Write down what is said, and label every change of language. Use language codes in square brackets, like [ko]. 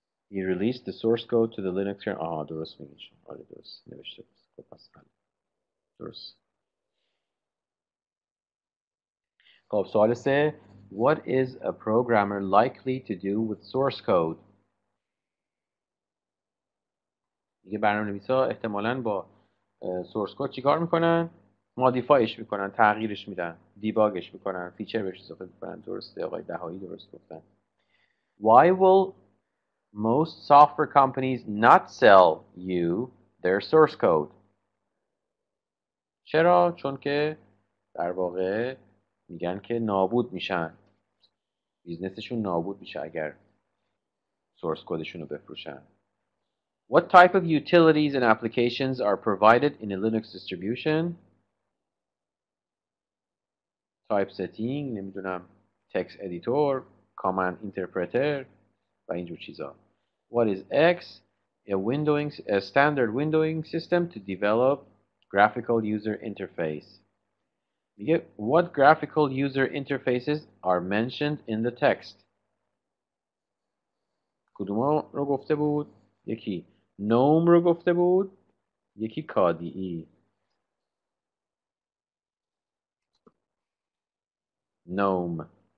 [en] He released the source code to the Linux kernel. [fa] آه درست میگیشم. آره درست نوشته. خب پس بله. درست. خب سوال سه. [en] What is a programmer likely to do with source code? [fa] یه برنامه نویس ها احتمالاً با سورس کود چی کار میکنن؟ مادیفایش میکنن، تغییرش میدن، دیباگش میکنن، فیچر بهش اضافه میکنن. درسته آقای دهایی درست گفتن. [en] Why will most software companies not sell you their source code. [fa] چرا؟ چون که در واقع میگن که نابود میشن. بیزنسشون نابود میشه اگر سورس کدشون رو بفروشن. [en] What type of utilities and applications are provided in a Linux distribution? Type setting، نمیدونم text editor، command interpreter [fa] و اینجور چیزا. [en] What is X? A standard windowing system to develop graphical user interface. What graphical user interfaces are mentioned in the text? [fa] کدوم رو گفته بود؟ یکی نوم رو گفته بود؟ یکی KDE. نوم.